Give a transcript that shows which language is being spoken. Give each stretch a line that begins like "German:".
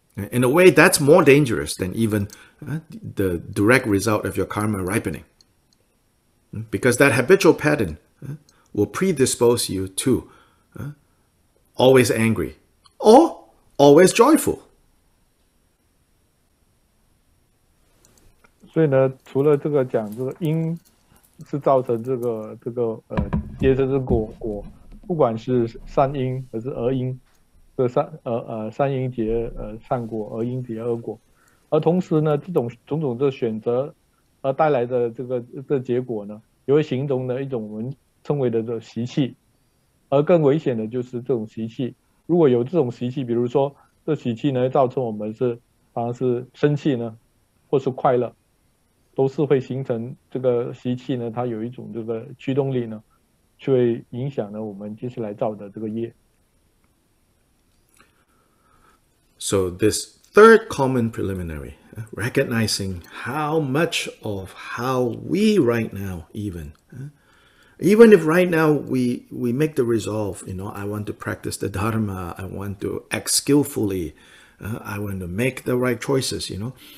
English: In a way, that's more dangerous than even the direct result of your karma ripening. Because that habitual pattern will predispose you to always angry or always joyful.
Chinese: 所以呢，除了这个讲这个因是造成这个接着这个果，不管是善因还是恶因，这善因结善果，恶因结恶果，而同时呢，这种种种的选择而带来的这个结果呢，也会形成的一种我们称为的这习气，而更危险的就是这种习气，如果有这种习气，比如说这习气呢造成我们是反而是生气呢，或是快乐。都是会形成这个习气呢，它有一种这个驱动力呢，去影响了我们接下来造的这个业。
English: So this third common preliminary, recognizing how much of how we right now even if right now we make the resolve, you know, I want to practice the Dharma, I want to act skillfully, I want to make the right choices, you know.